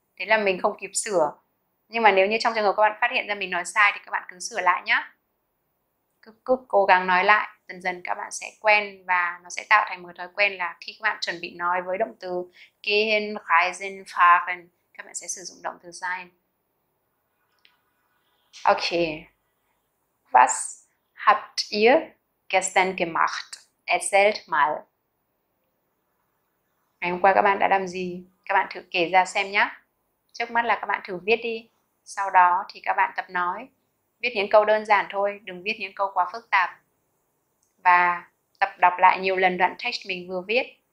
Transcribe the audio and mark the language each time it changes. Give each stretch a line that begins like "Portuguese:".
Vietnamese: Thế là mình không kịp sửa. Nhưng mà nếu như trong trường hợp các bạn phát hiện ra mình nói sai thì các bạn cứ sửa lại nhé. Cứ cố gắng nói lại. Dần dần các bạn sẽ quen và nó sẽ tạo thành một thói quen là khi các bạn chuẩn bị nói với động từ gehen, reisen, fahren, các bạn sẽ sử dụng động từ sein. Okay.
German: Was habt ihr gestern gemacht? Erzählt mal.
Vietnamese: Ngày hôm qua các bạn đã làm gì? Các bạn thử kể ra xem nhé. Trước mắt là các bạn thử viết đi. Sau đó thì các bạn tập nói. Viết những câu đơn giản thôi, đừng viết những câu quá phức tạp. Và tập đọc lại nhiều lần đoạn text mình vừa viết.